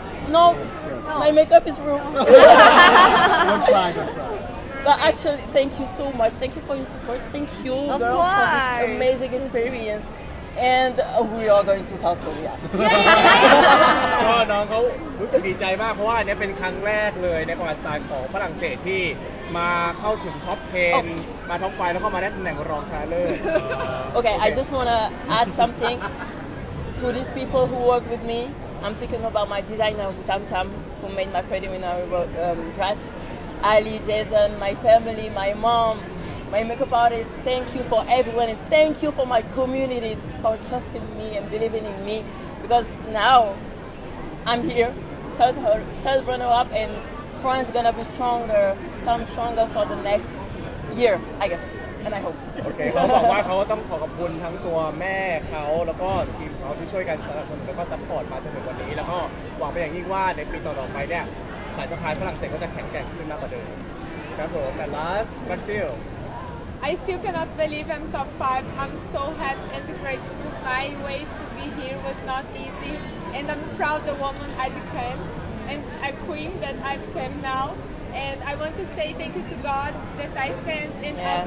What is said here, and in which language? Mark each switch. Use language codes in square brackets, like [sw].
[en] No, my makeup is ruined. But actually, thank you so much. Thank you for your support. Thank you, girl, for this amazing experience. And we are going to South Korea. [th] ก็น้องเขารู้สึกดีใจมากเพราะว่าเนี่ยเป็นครั้งแรกเลยในประวัติศาสตร์ของฝรั่งเศสที่มาเข้าถึงท็อป10มาท็อป5แล้วก็มาได้ตำแหน่งรองชนะเลิศ [en] Okay, I just wanna add something to these people who work with me. I'm thinking about my designer, Tam Tam, who made my credit winner dress. Ali, Jason, my family, my mom, my makeup artist, thank you for everyone and thank you for my community for trusting me and believing in me because now I'm here, third runner-up and France gonna be stronger, come stronger for the next year, I guess, and I hope. [th] Okay, เขาบอกว่าเขาต้องขอขอบคุณทั้งตัวแม่เขาแล้วก็ทีมเขาที่ช่วยกันสนับสนุนแล้วก็ซัพพอร์ตมาจนถึงวันนี้แล้วก็หวังไปอย่างยิ่งว่าในปีต่อๆไปเนี่ยแต่จะคายฝรั่งเศสก็จะแข็งแกร่งขึ้นมากกว่าเดิมครับผมแต่ [en] last Brazil I still cannot believe I'm top 5 I'm so happy and grateful my way to be here was not easy and I'm proud the woman I became and a queen that I am now and I want to say thank you to God the Thai fans and yes.